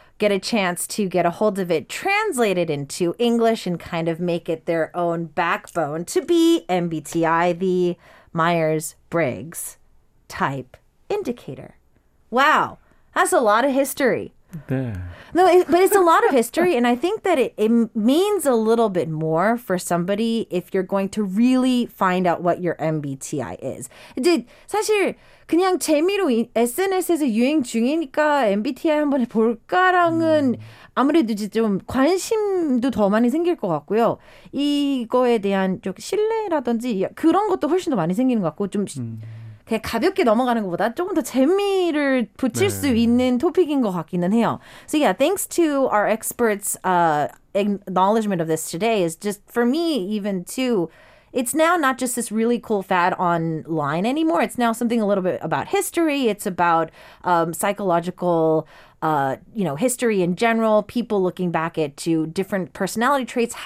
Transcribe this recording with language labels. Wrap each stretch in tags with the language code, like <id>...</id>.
<en>get a chance to get a hold of it translated into English and kind of make it their own backbone to be MBTI, the Myers-Briggs type indicator. Wow, that's a lot of history. Yeah. No, but it's a lot of history, and I think that it means a little bit more for somebody if you're going to really find out what your MBTI is.</en> <ko>사실 그냥 재미로 SNS에서 유행 중이니까 MBTI 한번 볼까랑은 아무래도 이제 좀 관심도 더 많이 생길 것 같고요. 이거에 대한 좀 신뢰라든지 그런 것도 훨씬 더 많이 생기는 것 같고 좀 그냥 가볍게 넘어가는 것보다 조금 더 재미를 붙일 네. 수 있는 토픽인 것 같기는 해요.</ko> <en>So yeah, thanks to our experts' acknowledgement of this today is just, for me even too, it's now not just this really cool fad online anymore. It's now something a little bit about history. It's about psychological, you know, history in general, people looking back at to different personality traits.</en>